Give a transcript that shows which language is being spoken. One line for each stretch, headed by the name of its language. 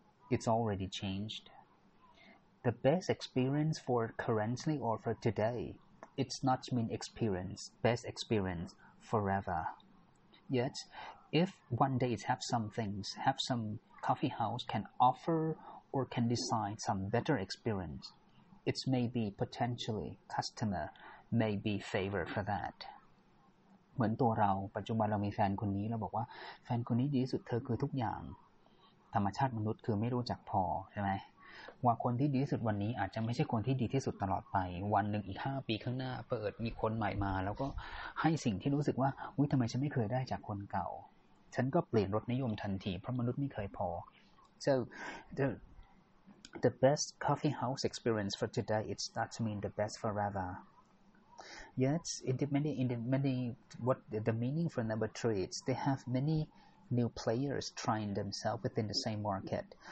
English: It's already changed. The best experience for currently or for today, it's not mean experience, best experience forever. Yet, if one day it have some things, have some coffee house can offer or can design some better experience, it may be potentially customer may be favored for that.
Thai: เหมือนตัวเราปัจจุบันเรามีแฟนคนนี้เราบอกว่าแฟนคนนี้ดีที่สุดเธอคือทุกอย่างธรรมชาติมนุษย์คือไม่รู้จักพอใช่ไหมว่าคนที่ดีที่สุดวันนี้อาจจะไม่ใช่คนที่ดีที่สุดตลอดไปวันหนึ่งอีก5ปีข้างหน้าเปิดมีคนใหม่มาแล้วก็ให้สิ่งที่รู้สึกว่าอุ๊ยทำไมฉันไม่เคยได้จากคนเก่าฉันก็เปลี่ยนรสนิยมทันทีเพราะมนุษย์ไม่เคยพอ
English: So the best coffee house experience for today it starts to mean the best foreverYet, what the meaning for number three is they have many new players trying themselves within the same market.